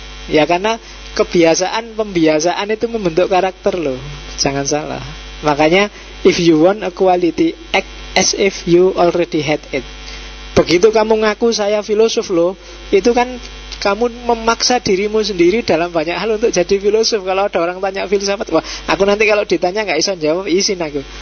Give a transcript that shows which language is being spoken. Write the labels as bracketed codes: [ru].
[id] Ya karena kebiasaan, pembiasaan itu membentuk karakter loh. Jangan salah. [en] Makanya if you want a quality, act as if you already had it. [id] Begitu kamu ngaku saya filosof loh, itu kan kamu memaksa dirimu sendiri dalam banyak hal untuk jadi filosof. Kalau ada orang tanya filsafat, wah aku nanti kalau ditanya gak bisa jawab, izin aku.